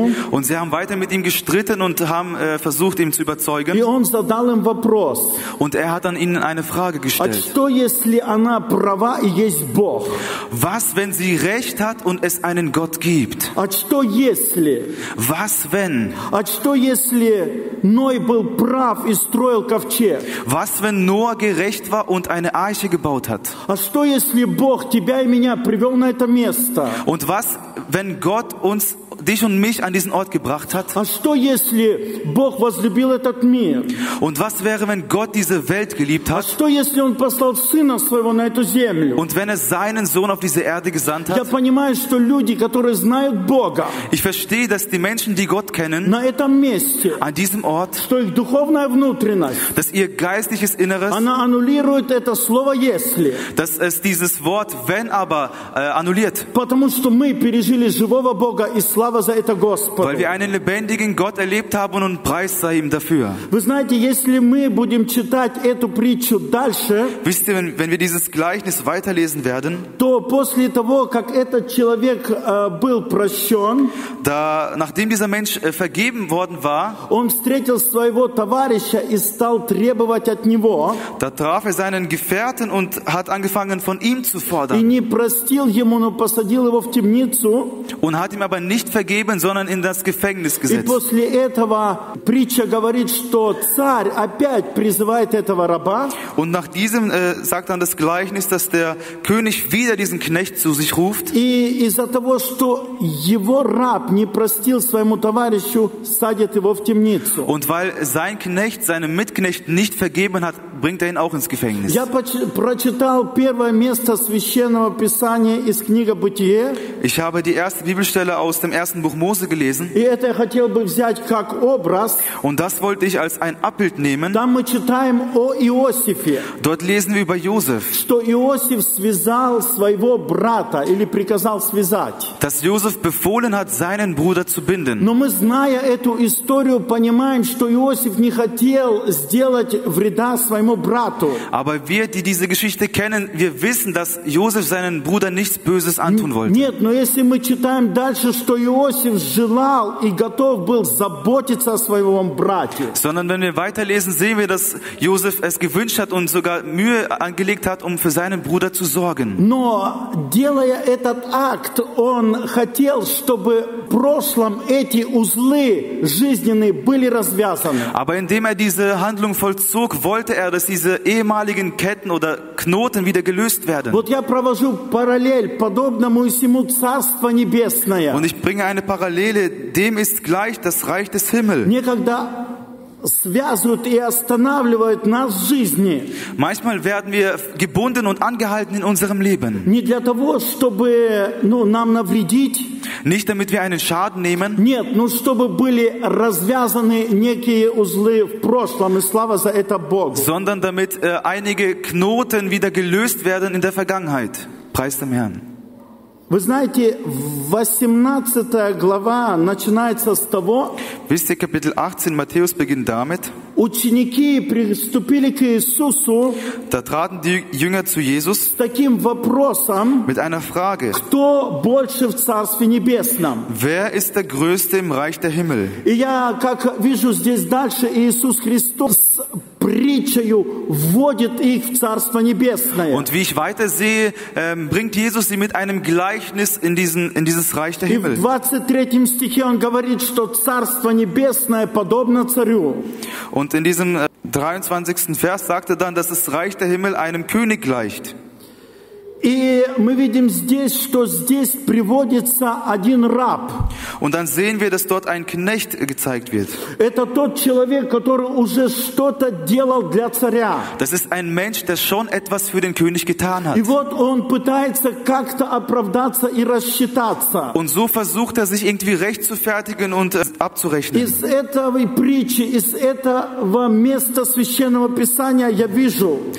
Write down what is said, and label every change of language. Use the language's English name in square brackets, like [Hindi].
[German] Und sie haben weiter mit ihm gestritten und haben versucht, ihm zu überzeugen. [Russian] И он задал им вопрос. [German] Und er hat an ihnen eine Frage gestellt. [Russian] А что, если она права и есть Бог? [German] Was, wenn sie recht hat und es einen Gott gibt? [Russian] А что, если? [German] Was, wenn? [Russian] А что, если Ной был прав и строил ковчег. [German] Was wenn Noah gerecht war und eine Arche gebaut hat? [Russian] А что если Бог тебя и меня привел на это место? [German] Und was wenn Gott uns dich und mich an diesen Ort gebracht hat? [Russian] А что если Бог возлюбил этот мир? [German] Und was wäre wenn Gott diese Welt geliebt hat? [Russian] А что если он послал сына своего на эту землю? [German] Und wenn er seinen Sohn auf diese Erde gesandt hat? [Russian] Я понимаю, что люди, которые знают Бога, [German] Ich verstehe, dass die Menschen, die Gott kennen, [Russian] на этом месте, [German] an diesem Ort, [Russian] что их духовная внутренность, [German] dass ihr geistliches Inneres, [Russian] она аннулирует это слово если, [German] dass es dieses Wort wenn aber annulliert. [Russian] Потому что мы пережили живого Бога и слава за это Господу. [German] Weil wir einen lebendigen Gott erlebt haben und preis sei ihm dafür. [Russian] Вы знаете, если мы будем читать эту притчу дальше, [German] wisst ihr, wenn wir dieses Gleichnis weiterlesen werden, [Russian] то после того, как этот человек был прощен, [German] da, nachdem dieser Mensch vergeben worden war, [Russian] он встретил своего товарища и стал требовать от него, [German] da traf er seinen Gefährten und hat angefangen von ihm zu fordern, [Russian] и не простил ему, но посадил его в темницу, [German] und hat ihm aber nicht vergeben, sondern in das Gefängnis gesetzt. [Russian] И после этого притча говорит, что царь опять призывает этого раба, [German] und nach diesem sagt dann das Gleichnis, dass der König wieder diesen Knecht zu sich ruft, [Russian] и из-за того, что его раб не простил своему товарищу, садит его в темницу. [German] Und weil sein Knecht seinem Mitknecht nicht vergeben hat, bringt er ihn auch ins Gefängnis. [Russian] Я прочитал первое место священного писания из книги Бытие. [German] Ich habe die erste Bibelstelle aus dem ersten Buch Mose gelesen. [Russian] И это я хотел бы взять как образ. [German] Und das wollte ich als ein Abbild nehmen. [Russian] Там мы читаем о Иосифе. [German] Dort lesen wir über Josef. [Russian] Что Иосиф связал своего брата или приказал связать. [German] Dass Josef befohlen hat, seinen Bruder zu binden. [Russian] Но мы, зная эту историю, понимаем, что Иосиф не хотел сделать вреда своему брату. [German] Aber wir, die diese Geschichte kennen, wir wissen, dass Josef seinen Bruder nichts Böses antun wollte. [Russian] Нет, но если мы читаем дальше, что Иосиф желал и готов был заботиться о своем брате. [German] Sondern wenn wir weiterlesen, sehen wir, dass Josef es gewünscht hat und sogar Mühe angelegt hat, um für seinen Bruder zu sorgen. [Russian] Но делая этот акт, он хотел, чтобы в прошлом эти узлы жизненные были развязаны. [German] Aber indem er diese Handlung vollzog, wollte er, dass diese ehemaligen Ketten oder Knoten wieder gelöst werden. [Russian] Вот я провожу параллель подобному всему Царство Небесное. [German] Und ich bringe eine Parallele, dem ist gleich das Reich des Himmels. [Russian] Никогда связывают и останавливают нас в жизни. [German] Manchmal werden wir gebunden und angehalten in unserem Leben. [Russian] Не для того, чтобы, ну, нам навредить. [German] Nicht damit wir einen Schaden nehmen. [Russian] Нет, ну, чтобы были развязаны некие узлы в прошлом, и слава за это Богу. [German] Sondern damit einige Knoten wieder gelöst werden in der Vergangenheit. Preis dem Herrn. [Russian] Вы знаете, 18 глава начинается с того, [German] Wisst ihr, Kapitel 18, Matthäus beginnt damit, [Russian] ученики приступили к Иисусу, [German] da traten die Jünger zu Jesus, [Russian] с таким вопросом, [German] mit einer Frage, [Russian] кто больше в Царстве Небесном? [German] Wer ist der Größte im Reich der Himmel? [Russian] И я, как вижу здесь дальше, Иисус Христос притчею вводит их в Царство Небесное. [German] Und wie ich weiter sehe, bringt Jesus sie mit einem Gleichnis in dieses Reich der Himmel. [Russian] И в 23 стихе он говорит, что Царство Небесное подобно царю. [German] Und in diesem 23. Vers sagt er dann, dass das Reich der Himmel einem König gleicht. [Russian] И мы видим здесь, что здесь приводится один раб. [German] Und dann sehen wir, dass dort ein Knecht gezeigt wird. [Russian] Это тот человек, который уже что-то делал для царя. [German] Das ist ein Mensch, der schon etwas für den König getan hat. [Russian] И вот он пытается как-то оправдаться и рассчитаться. [German] Und so versucht er, sich irgendwie rechtfertigen und abzurechnen. [Russian] Из этой притчи, из этого места священного писания я вижу.